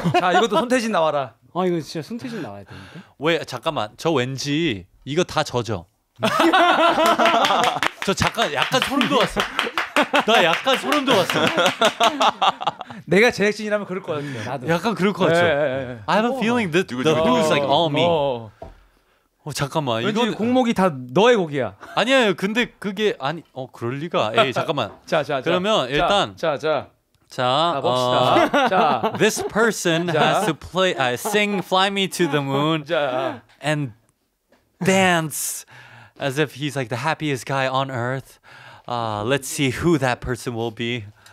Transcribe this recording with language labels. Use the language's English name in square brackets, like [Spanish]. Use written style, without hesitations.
[Korean] 자, 이것도 손태진 나와라. 아, 이거 진짜 손태진 나와야 되는데. 왜 잠깐만. 저 왠지 이거 다 젖어. 저 잠깐 약간 소름 돋았어. 나 약간 소름 돋았어. 내가 제작진이라면 그럴 것 같은데 나도. 약간 그럴 것 같죠. 네, 네, 네. [English] I have a feeling that the blues like all me. [Korean] 잠깐만 이거 곡목이 다 너의 곡이야. 아니에요. 근데 그게 아니 그럴 리가. 에이 잠깐만. 자. 그러면 자, 일단 자. 봅시다. [English] This person has to play sing Fly Me to the Moon [Korean] 자. [English] and dance. As if he's like the happiest guy on earth. Let's see who that person will be.